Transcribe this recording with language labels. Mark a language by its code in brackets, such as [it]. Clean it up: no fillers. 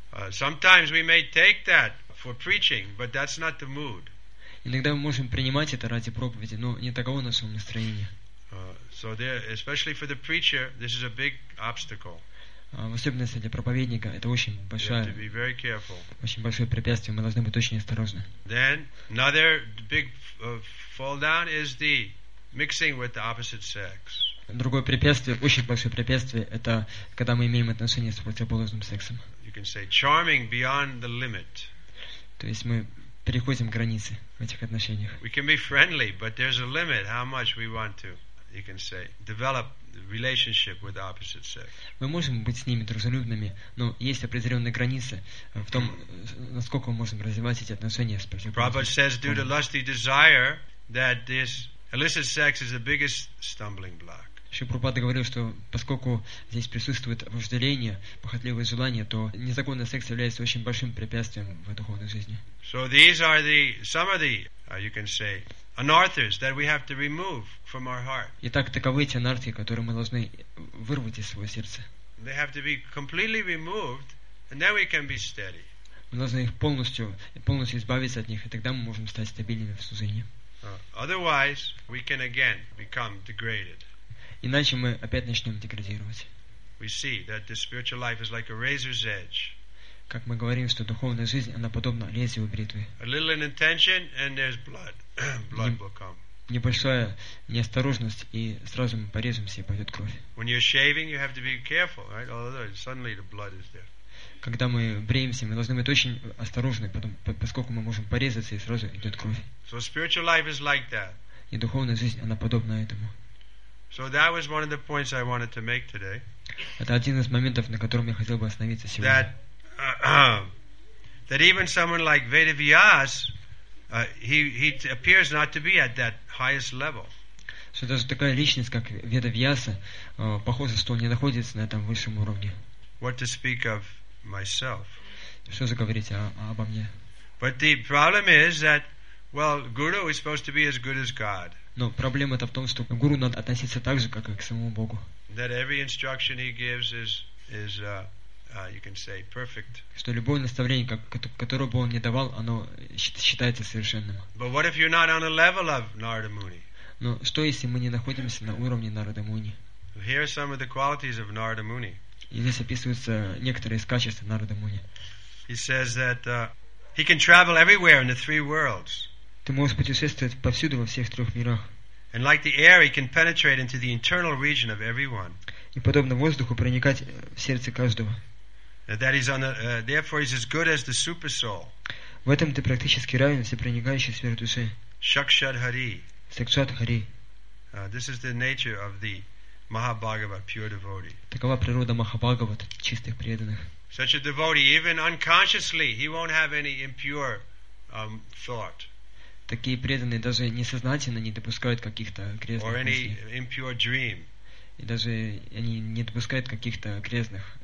[en] Sometimes we may take that for preaching, but that's not the mood. [ru] Иногда мы можем принимать это ради проповеди, но не таково наше настроение. [en] So there, especially for the preacher, this is a big obstacle. [ru] В особенности для проповедника это очень большое, очень большое препятствие. Мы должны быть очень осторожны. [en] Then another big fall down is the mixing with the opposite sex. [ru] Другое препятствие, очень большое препятствие, это когда мы имеем отношения с противоположным сексом. [en] You can say charming beyond the limit. [ru] То есть мы переходим границы в этих отношениях. [en] We can be friendly, but there's a limit how much we want to, you can say, develop. Relationship with opposite sex. [ru] Мы можем быть с ними дружелюбными, но есть определенные границы в том, насколько мы можем развивать эти отношения с противоположным. [en] Prabhupada says, due to lusty desire, that this illicit sex is the biggest stumbling block. [ru] Еще Прабхупада говорил, что поскольку здесь присутствует вожделение, похотливое желание, то незаконный секс является очень большим препятствием в духовной жизни. [en] So these are the some of the you can say. Anarthas that we have to remove from our heart. [ru] Итак, таковы те анархи, которые мы должны вырвать из своего сердца. [en] They have to be completely removed, and then we can be steady. [ru] Мы должны их полностью избавиться от них, и тогда мы можем стать стабильными в служении. [en] Otherwise, we can again become degraded. [ru] Иначе мы опять начнем деградировать. [en] We see that the spiritual life is like a razor's edge. [ru] Как мы говорим, что духовная жизнь она подобна лезвию бритвы. [en] A little in intention, and there's blood. Blood will come. [ru] небольшая неосторожность, и сразу мы порежемся, и пойдет кровь. [en] When you're shaving, you have to be careful, right? Although suddenly the blood is there. [ru] Когда мы бреемся, мы должны быть очень осторожны, поскольку мы можем порезаться, и сразу идет кровь. [en] So spiritual life is like that. [ru] И духовная жизнь, она подобна этому. [en] So that was one of the points I wanted to make today. [ru] Это один из моментов, на котором я хотел бы остановиться сегодня. [en] That even someone like Vedavyas, he appears not to be at that highest level. [ru] Что даже такая личность, как Ведавьяса, похоже, что он не находится на этом высшем уровне. [en] What to speak of myself? [ru] Что же говорить обо мне? [en] But the problem is that, well, Guru is supposed to be as good as God. [ru] Но проблема-то в том, что к Гуру надо относиться так же, как и к самому Богу. [en] That every instruction he gives you can say perfect. [ru] Что любое наставление, которое бы он не давал, оно считается совершенным. [en] But what if you're not on a level of Narada Muni? [ru] Но что если мы не находимся на уровне Нарада Муни? [en] Here are some of the qualities of Narada Muni. [ru] И здесь описываются некоторые из качеств Нарада Муни. [en] He says that he can travel everywhere in the three worlds. [ru] Ты можешь путешествовать повсюду во всех трех мирах. [en] And like the air, he can penetrate into the internal region of everyone. [ru] И подобно воздуху проникать в сердце каждого. [en] That is on therefore he's as good as the super soul. [ru] В этом ты практически равен всепроникающей сверхдуше. [sa] Шакшад Хари. Сакшат Хари. [en] This is the nature of the Mahabhagavat, pure devotee. [ru] Такова природа Махабхагават, чистых преданных. [en] Such a devotee, even unconsciously, he won't have any impure thought. [ru] Такие преданные даже несознательно не допускают каких-то грязных мыслей. [en] Or any impure dream. [ru] И даже они не допускают каких-то грязных